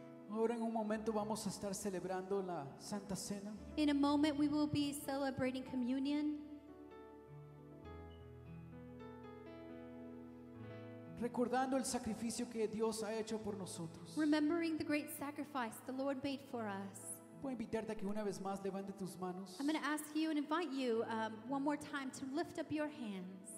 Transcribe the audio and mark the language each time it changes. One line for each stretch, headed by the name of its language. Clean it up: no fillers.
Spanish: Ahora en un momento vamos a estar celebrando la Santa Cena.
English: In a moment we will be celebrating communion.
Spanish: Recordando el sacrificio que Dios ha hecho por nosotros.
English: Remembering the great sacrifice the Lord made for us.
Spanish: Voy a invitarte a que una vez más levante tus manos.
English: I'm going to ask you and invite you one more time to lift up your hands.